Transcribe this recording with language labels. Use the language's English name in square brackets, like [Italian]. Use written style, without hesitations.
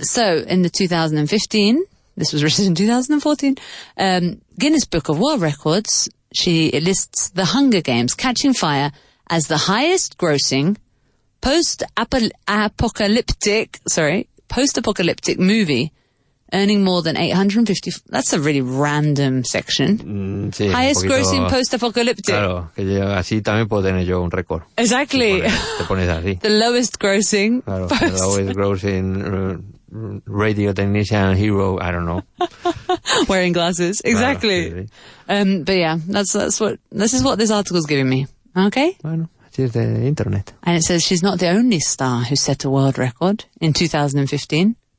[English] So, in the 2015, this was written in 2014, Guinness Book of World Records, she lists The Hunger Games, Catching Fire, as the highest grossing post-apocalyptic movie, earning more than 850... That's a really random section. [Spanish] Sí, [English] highest grossing post-apocalyptic. [Spanish] Claro, que yo, así también puedo tener yo un récord. [English] Exactly. [Spanish] Te pones así. [English] The lowest grossing... Claro, the lowest grossing radio technician hero, I don't know. Wearing glasses. Exactly. [Spanish] Claro, [English] but yeah, this is what this article's giving me. Okay? [Spanish] Bueno, así es de internet. [English] And it says she's not the only star who set a world record in 2015.